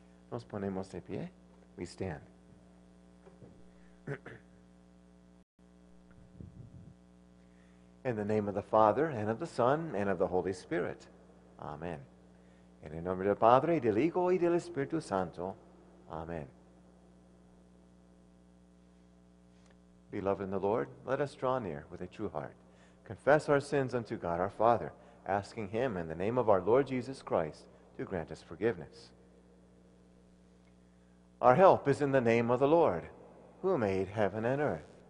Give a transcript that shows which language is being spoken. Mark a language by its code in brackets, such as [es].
[es] Nos ponemos de pie. [en] We stand. In the name of the Father, and of the Son, and of the Holy Spirit. Amen. [es] En el nombre del Padre, del Hijo, y del Espíritu Santo. Amen. [en] Beloved in the Lord, let us draw near with a true heart. Confess our sins unto God our Father, asking Him in the name of our Lord Jesus Christ to grant us forgiveness. Our help is in the name of the Lord, who made heaven and earth.